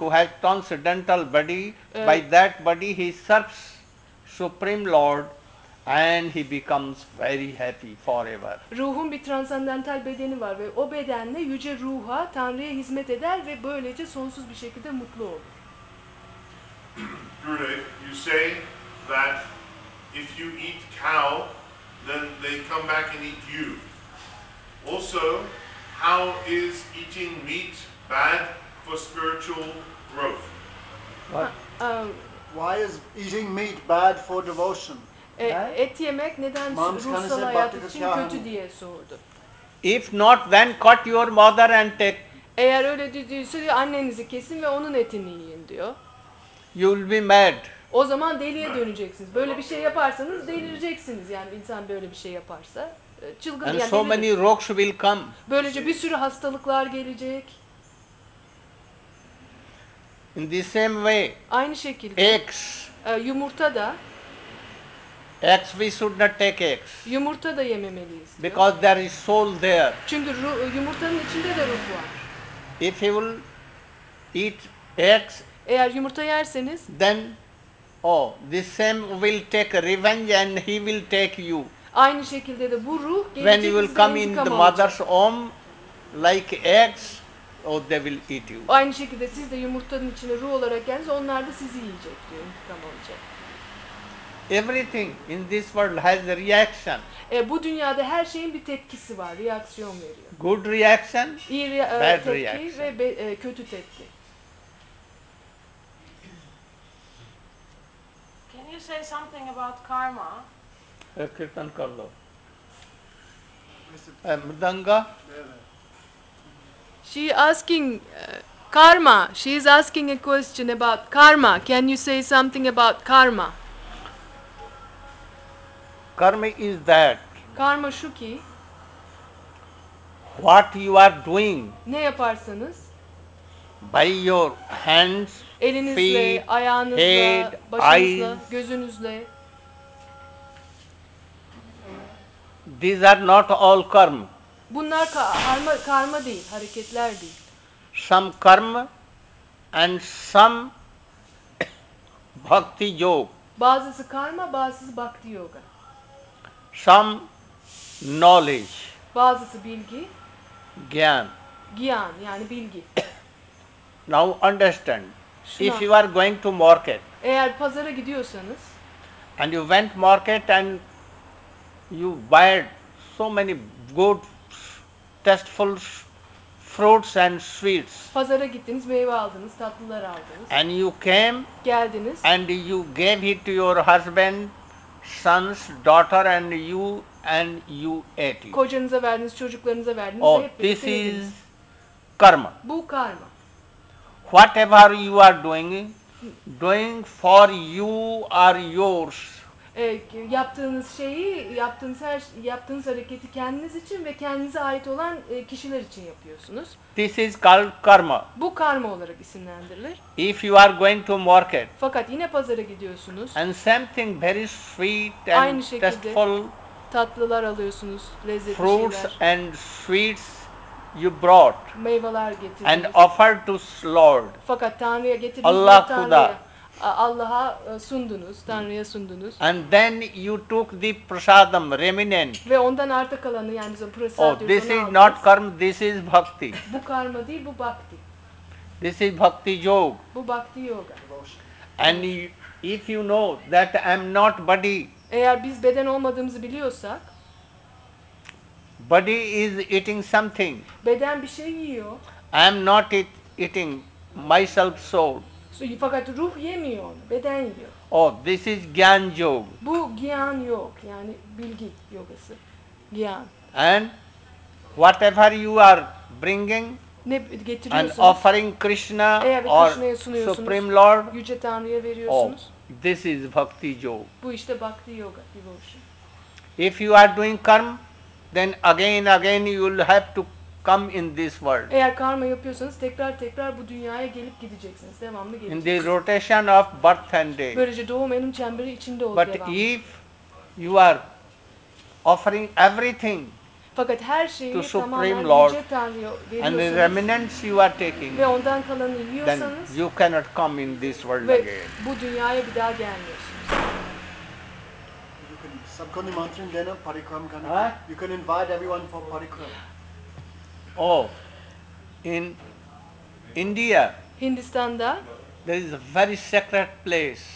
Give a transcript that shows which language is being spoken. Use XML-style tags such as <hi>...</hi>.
<en>who has transcendental body, by that body he serves Supreme Lord and he becomes very happy forever.</en> <tr>Ruhun bir transandental bedeni var ve o bedenle yüce ruha, Tanrı'ya hizmet eder ve böylece sonsuz bir şekilde mutlu olur.</tr> <en>Gurudev, you say that if you eat cow, then they come back and eat you. Also, how is eating meat bad for spiritual growth? Why is eating meat bad for devotion?</en> <tr>Et yemek neden ruhsal hayat için kötü diye sordu.</tr> <en>If not, then cut your mother and take.</en> <tr>Eğer öyle dediyse diyor, annenizi kesin ve onun etini yiyin diyor.</tr> <en>You'll be mad.</en> <tr>O zaman deliye döneceksiniz. Böyle bir şey yaparsanız delireceksiniz. Yani insan böyle bir şey yaparsa çılgın.</tr> <en>And</en> <tr>yani</tr> <en>so many rocks will come.</en> <tr>Böylece bir sürü hastalıklar gelecek.</tr> <en>In the same way.</en> <tr>Aynı şekilde.</tr> <en>Eggs.</en> <tr>Yumurta da.</tr> <en>Eggs, we should not take eggs.</en> <tr>Yumurta da yememeliyiz. Diyor.</tr> <en>Because there is soul there.</en> <tr>Çünkü yumurtanın içinde de ruh var.</tr> <en>If you will eat eggs.</en> <tr>Eğer yumurta yerseniz.</tr> <en>Then, oh, the same will take revenge and he will take you.</en> <tr>Aynı şekilde de bu ruh gelecek.</tr> <en>When you will come in the mother's womb like eggs, oh, they will eat you.</en> <tr>Aynı şekilde siz de yumurtanın içine ruh olarak geldiniz, onlar da sizi yiyecek diyor, intikam alacak.</tr> <en>Everything in this world has a reaction.</en> <tr>Bu dünyada her şeyin bir tepkisi var, reaksiyon veriyor.</tr> <en>Good reaction,</en> <tr>İyi</tr> <en>bad</en> <tr>tepki</tr> <en>reaction.</en> <tr>Ve kötü tepki.</tr> <en>Can you say something about karma?</en> <hi>Kirtan kar lo. Mridanga?</hi> <en>She asking karma. She is asking a question about karma. Can you say something about karma? Karma is that.</en> <tr>Karma şu ki.</tr> <en>What you are doing.</en> <tr>Ne yaparsanız.</tr> <en>By your hands,</en> <tr>elinizle,</tr> <en>feet,</en> <tr>ayağınızla,</tr> <en>head,</en> <tr>başınızla,</tr> <en>eyes,</en> <tr>gözünüzle.</tr> <en>These are not all karma.</en> <tr>Bunlar karma değil, hareketler değil.</tr> <en>Some karma and some bhakti yoga.</en> <tr>Bazısı karma, bazısı bhakti yoga.</tr> <en>Some knowledge.</en> <tr>Bazısı bilgi.</tr> <hi>Gyan.</hi> <tr>Gyan yani bilgi.</tr> <en>Now understand.</en> <tr>Şuna.</tr> <en>If you are going to market.</en> <tr>Eğer pazara gidiyorsanız.</tr> <en>And you went market and you buy so many good tasteful fruits and sweets.</en> <tr>Pazara gittiniz, meyve aldınız, tatlılar aldınız.</tr> <en>And you came.</en> <tr>Geldiniz.</tr> <en>And you gave it to your husband. Sons, daughter and you ate it.</en> <tr>Kocanıza verdiniz, çocuklarınıza verdiniz.</tr> <en>Oh, this is karma.</en> <tr>Bu karma.</tr> <en>Whatever you are doing, doing for you or yours.</en> <tr>Yaptığınız şeyi, yaptığınız hareketi kendiniz için ve kendinize ait olan kişiler için yapıyorsunuz.</tr> <en>This is called karma.</en> <tr>Bu karma olarak isimlendirilir.</tr> <en>If you are going to market.</en> <tr>Fakat yine pazara gidiyorsunuz.</tr> <en>And something very sweet and tasteful.</en> <tr>Tatlılar alıyorsunuz, lezzetli şeyler.</tr> <en>Fruits and sweets you brought.</en> <tr>Meyveler getirdiniz.</tr> <en>And offered to Lord.</en> <tr>Fakat Tanrı'ya getirdiniz.</tr> <hi>Allah Kuda.</hi> <tr>Allah'a sundunuz, Tanrı'ya sundunuz.</tr> <en>And then you took the prasadam remnant.</en> <tr>Ve ondan arta kalanı yani o prasad diyor.</tr> <en>Oh, this is not karma, this is bhakti.</en> <tr>Bu karma değil, bu bhakti.</tr> <en>This is bhakti yoga.</en> <tr>Bu bhakti yoga.</tr> <en>And if you know that I am not body.</en> <tr>Eğer biz beden olmadığımızı biliyorsak.</tr> <en>Body is eating something.</en> <tr>Beden bir şey yiyor.</tr> <en>I am not eating myself soul.</en> <tr>Fakat ruh yemiyor onu, beden yiyor.</tr> <en>Oh, this is Gyan Yoga.</en> <tr>Bu Gyan Yoga, yani bilgi yogası.</tr> <hi>Gyan.</hi> <en>And whatever you are bringing</en> <tr>ne</tr> <en>and offering Krishna or Supreme Lord,</en> <tr>Yüce Tanrı'ya veriyorsunuz.</tr> <en>Oh, this is Bhakti Yoga.</en> <tr>Bu işte Bhakti Yoga, devotion.</tr> <en>If you are doing karma, then again you will have to come in this world.</en> <tr>Eğer karma yapıyorsanız tekrar bu dünyaya gelip gideceksiniz. Devamlı geleceksiniz.</tr> <en>In the rotation of birth and death.</en> <tr>Böylece doğum ölüm çemberi içinde olacak.</tr> <en>But</en> <tr>devamlı.</tr> <en>If you are offering everything.</en> <tr>Fakat her şeyi</tr> <en>to Supreme Lord and the remnants you are taking.</en> <tr>Ve ondan kalanı yiyorsanız</tr> <en>then you cannot come in this world again.</en> <tr>Bu dünyaya bir daha gelmiyorsunuz.</tr> <en>You can</en> <hi>Sabko Nimantran Dena Parikram Kanaka.</hi> <en>You can invite everyone for Parikram. Oh, in India,</en> <tr>Hindistan'da,</tr> <en>there is a very secret place.</en>